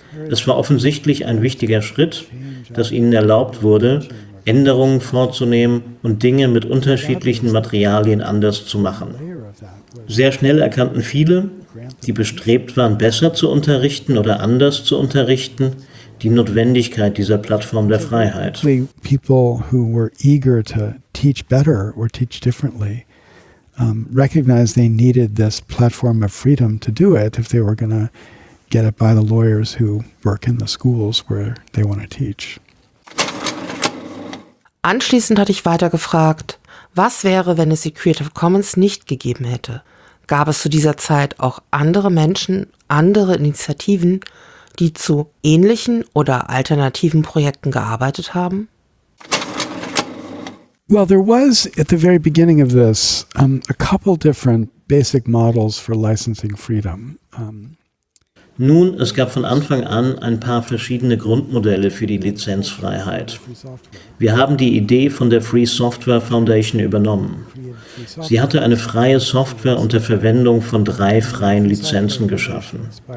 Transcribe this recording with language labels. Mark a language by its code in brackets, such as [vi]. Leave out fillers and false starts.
[de] Es war offensichtlich ein wichtiger Schritt, dass ihnen erlaubt wurde, Änderungen vorzunehmen und Dinge mit unterschiedlichen Materialien anders zu machen. Sehr schnell erkannten viele, die bestrebt waren, besser zu unterrichten oder anders zu unterrichten, die Notwendigkeit dieser Plattform der Freiheit. [en] People who were eager to teach better or teach differently recognized they needed this platform of freedom to do it if they were going to get it by the lawyers who work in the schools where they want to teach. [de] Anschließend hatte ich weiter gefragt, was wäre, wenn es die Creative Commons nicht gegeben hätte? Gab es zu dieser Zeit auch andere Menschen, andere Initiativen, die zu ähnlichen oder alternativen Projekten gearbeitet haben? [en] Well, there was at the very beginning of this a couple different basic models for licensing freedom. [de] Nun, es gab von Anfang an ein paar verschiedene Grundmodelle für die Lizenzfreiheit. Wir haben die Idee von der Free Software Foundation übernommen. Sie hatte eine freie Software unter Verwendung von drei freien Lizenzen geschaffen.